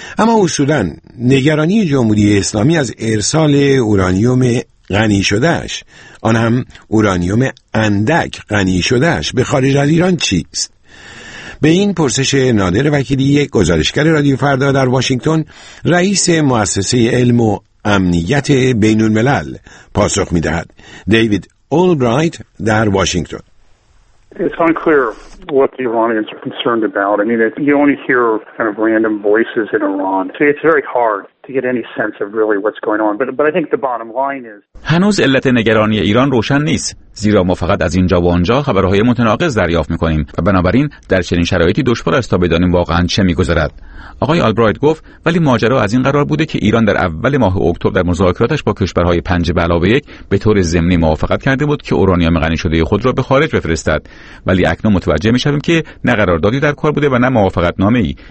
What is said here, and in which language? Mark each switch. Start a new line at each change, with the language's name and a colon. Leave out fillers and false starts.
Persian: اما اصولاً نگرانی جمهوری اسلامی از ارسال اورانیوم غنی شدهش، آن هم اورانیوم اندک غنی شدهش، به خارج از ایران چیست؟ به این پرسش نادر وکیلی، یک گزارشگر رادیو فردا در واشنگتن، رئیس مؤسسه علم و امنیت بین الملل پاسخ می‌دهد. دیوید اولبرایت در واشنگتن:
English: It's unclear what the Iranians are concerned about. I mean, you only hear kind of random voices in Iran. So it's very hard to get any sense of really what's going on. But I think the bottom line is
Persian: هنوز علت نگرانی ایران روشن نیست. زیرا ما فقط از اینجا و آنجا خبرهای متناقض دریافت می‌کنیم و بنابراین در چنین شرایطی دشوار است تا بدانیم واقعاً چه می‌گذرد. آقای آلبرایت گفت ولی ماجرا از این قرار بوده که ایران در اول ماه اکتبر در مذاکراتش با کشورهای 5 علاوه 1 به طور ضمنی موافقت کرده بود که اورانیوم غنی شده خود را به خارج بفرستد، ولی اکنون متوجه می‌شویم که نه قراردادی در کار بوده و نه موافقتنامه‌ای.